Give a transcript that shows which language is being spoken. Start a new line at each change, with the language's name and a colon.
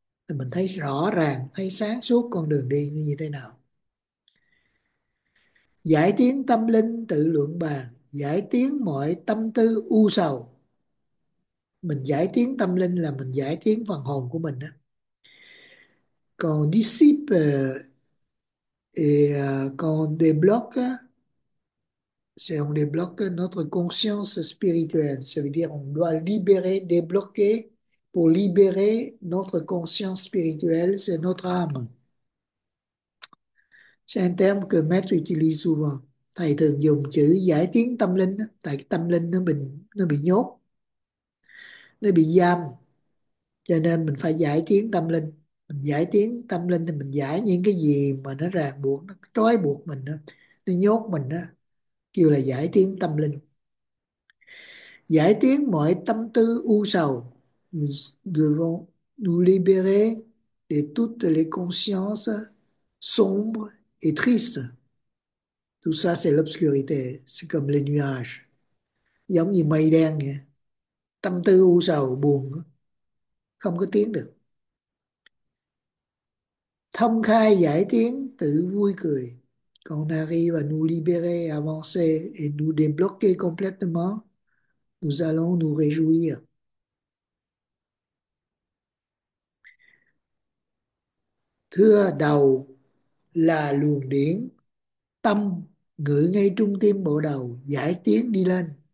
Vietnamese: Thì mình thấy rõ ràng, thấy sáng suốt con đường đi như thế nào. Giải tiến tâm linh tự luận bàn, giải tiến mọi tâm tư u sầu. Mình giải tiến tâm linh là mình giải tiến phần hồn của mình đó.
French: Còn dissipe et còn débloque, c'est on débloque notre conscience spirituelle. Ça veut dire on doit libérer, débloquer. Pour libérer notre conscience spirituelle, c'est notre âme. C'est un terme que Maître utilise souvent.
Vietnamese: Thầy thường dùng chữ giải tiến tâm linh, tại cái tâm linh nó bị nhốt, nó bị giam. Cho nên mình phải giải tiến tâm linh. Mình giải tiến tâm linh thì mình giải những cái gì mà nó ràng buộc, nó trói buộc mình, nó nhốt mình, kêu là giải tiến tâm linh. Giải tiến mọi tâm tư u sầu.
French: Nous devons nous libérer de toutes les consciences sombres et tristes. Tout ça, c'est l'obscurité. C'est comme les nuages.
Vietnamese: Giống như mây đen vậy. Tâm tư u sầu, buồn. Không có tiến được. Thông khai giải tiến, tự vui cười.
French: Quand on arrive à nous libérer, avancer et nous débloquer complètement, nous allons nous réjouir.
Vietnamese: Thưa, đầu là luồng điển, tâm ngự ngay trung tim bộ đầu, giải tiến đi lên.